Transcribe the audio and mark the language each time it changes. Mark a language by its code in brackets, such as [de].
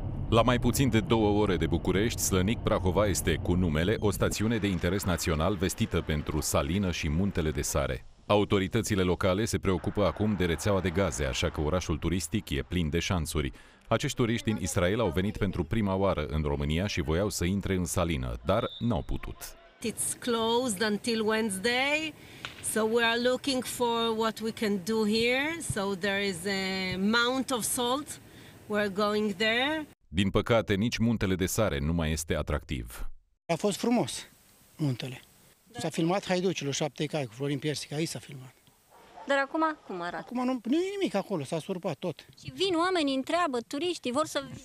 [ro] La mai puțin de 2 ore de București, Slănic, Prahova este, cu numele, o stațiune de interes național vestită pentru salină și muntele de sare. Autoritățile locale se preocupă acum de rețeaua de gaze, așa că orașul turistic e plin de șansuri. Acești turiști din Israel au venit pentru prima oară în România și voiau să intre în salină, dar n-au putut. [en] It's closed until Wednesday, so we are looking for what we can do here. So there is a mount of salt. We're going there. [ro] Din păcate, nici muntele de sare nu mai este atractiv. A fost frumos, muntele. Da. S-a filmat haiducilor 7 cai cu Florin Piersic, aici s-a filmat. Dar acum cum arată? Acum nu e nimic acolo, s-a surpat tot. Și vin oamenii, întreabă, turiștii, vor să...